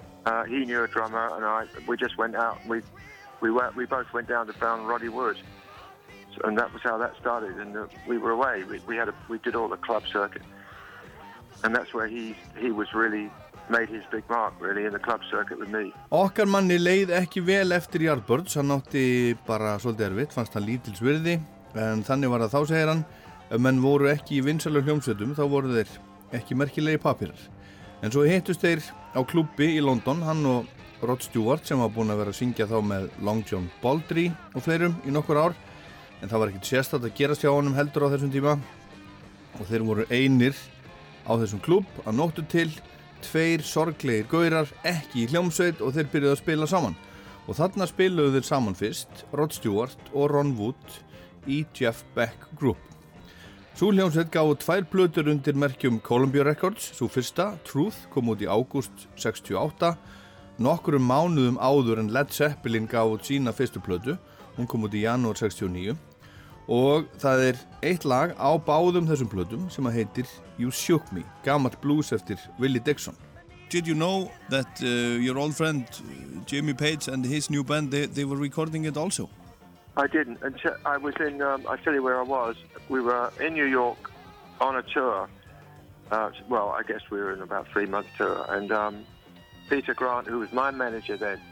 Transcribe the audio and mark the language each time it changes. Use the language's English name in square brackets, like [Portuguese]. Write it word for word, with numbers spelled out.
[English] Uh, he knew a drummer, and I. We just went out. And we we went, we both went down to found Roddy Wood, so, and that was how that started. And uh, we were away. We, we had a, we did all the club circuit, and that's where he he was really made his big mark really in the club circuit with me. [Icelandic] Okkar manni leið ekki vel eftir Yardbirds. Hann átti bara svolítið erfitt, fannst hann lítilsvirði, en þannig var það þá, segir hann. Ef menn voru ekki í vinsælum hljómsveitum þá voru þeir ekki merkilegir pappírar. En svo hittust þeir á klúbbi í London, hann og Rod Stewart sem var búinn að vera að syngja þá með Long John Baldry og fleirum í nokkur ár, en það var ekkert sérstakt að gerast hjá honum heldur á þessum tíma og þeir voru einir á þessum klúbb að nóttu til, tveir sorglegir gaurar ekki í hljómsveit og þeir byrjuðu að spila saman. Og þarna spiluðu þeir saman fyrst, Rod Stewart og Ron Wood í Jeff Beck Group. Sú hljómsveit gáfu tvær plötur undir merkjum Columbia Records, sú fyrsta, Truth, kom út í ágúst sextíu og átta, nokkrum mánuðum áður en Led Zeppelin gáfu sína fyrstu plötu, hún kom út í janúar sextíu og níu, og það er eitt lag á báðum þessum plötum sem að heitir You Shook Me, gamall blues eftir Willie Dixon. [English] Did you know that uh, your old friend Jimmy Page and his new band, they, they were recording it also? I didn't. I was in, um, I'll tell you where I was. We were in New York on a tour. Uh, well, I guess we were in about three-month tour. And um, Peter Grant, who was my manager then,